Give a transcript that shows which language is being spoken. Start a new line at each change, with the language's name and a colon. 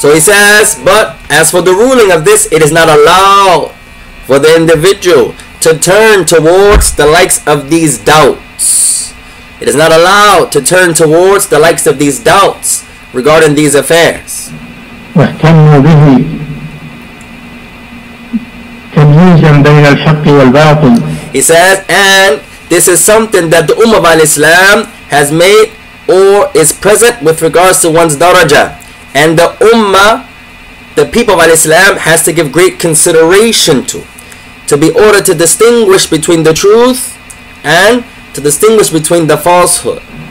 English: So he says, but as for the ruling of this, it is not allowed for the individual to turn towards the likes of these doubts. It is not allowed to turn towards the likes of these doubts regarding these affairs.
Arabic: واهتموا به تمييزا بين الحق والباطل.
English: He says, and this is something that the Ummah of Al-Islam has made or is present with regards to one's daraja. And the Ummah, the people of Al-Islam, has to give great consideration to be ordered to distinguish between the truth and to distinguish between the falsehood.